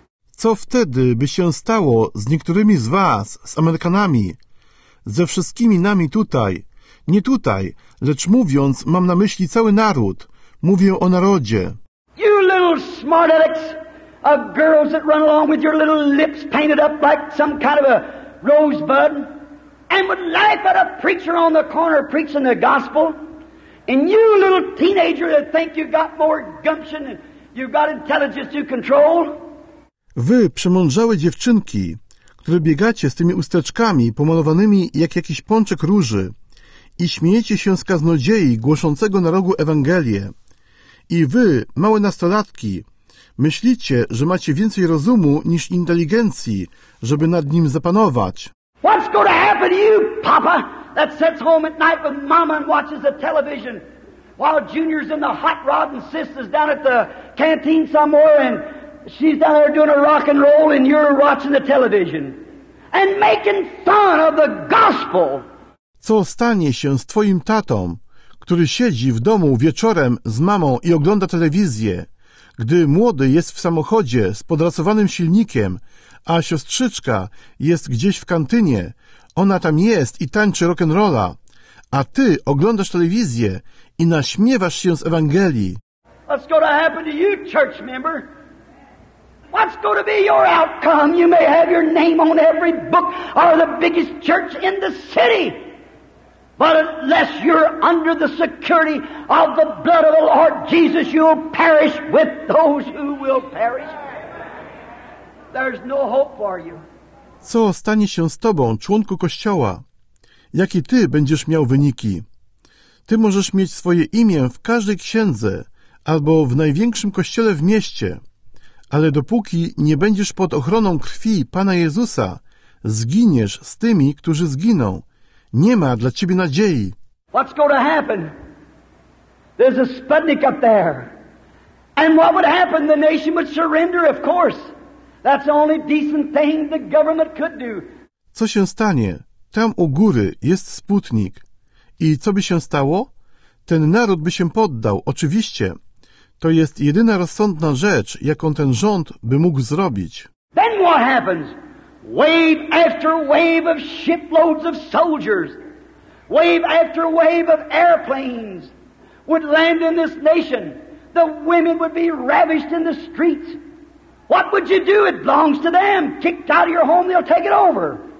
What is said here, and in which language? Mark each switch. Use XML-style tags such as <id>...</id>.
<pl>Co wtedy by się stało z niektórymi z was, z Amerykanami, ze wszystkimi nami tutaj, nie tutaj, lecz mówiąc, mam na myśli cały naród, mówię o narodzie.</pl> <en>You little smart alecks of girls that run along with your little lips painted up like some kind of a rosebud and would laugh at a preacher on the corner preaching the gospel. And you little teenager that think you got more gumption and you got intelligence to control.</en> <pl>Wy, przemądrzałe dziewczynki, które biegacie z tymi usteczkami pomalowanymi jak jakiś pączek róży i śmiejecie się z kaznodziei głoszącego na rogu Ewangelię. I wy, małe nastolatki, myślicie, że macie więcej rozumu niż inteligencji, żeby nad nim zapanować.</pl> <en>What's going to happen to you, papa, that sits home at night with mama and watches the television while Junior's in the hot rod and sister's down at the canteen somewhere and she's down there doing a rock and roll and you're watching the television and making fun of the gospel.</en> <pl>Co stanie się z twoim tatą, który siedzi w domu wieczorem z mamą i ogląda telewizję, gdy młody jest w samochodzie z podrasowanym silnikiem, a siostrzyczka jest gdzieś w kantynie, ona tam jest i tańczy rock'n'rolla, a ty oglądasz telewizję i naśmiewasz się z Ewangelii.</pl> <en>What's going to happen to you, church member? What's going to be your outcome? You may have your name on every book or the biggest church in the city. But unless you're under the security of the blood of the Lord Jesus, you'll perish with those who will perish. There's no hope for you.</en> <pl>Co stanie się z tobą, członku Kościoła? Jaki ty będziesz miał wyniki? Ty możesz mieć swoje imię w każdej księdze albo w największym kościele w mieście, ale dopóki nie będziesz pod ochroną krwi Pana Jezusa, zginiesz z tymi, którzy zginą. Nie ma dla ciebie nadziei.</pl> <en>What's going to happen? There's a Sputnik up there. And what would happen? The nation would surrender, of course. That's the only decent thing the government could do.</en> <pl>Co się stanie? Tam u góry jest Sputnik. I co by się stało? ten naród by się poddał, oczywiście. To jest jedyna rozsądna rzecz, jaką ten rząd by mógł zrobić.</pl> <en>Then what happens? Wave after wave of shiploads of soldiers, wave after wave of airplanes would land in this nation. The women would be ravished in the streets. What would you do? It belongs to them. Kicked out of your home, they'll take it over.</en>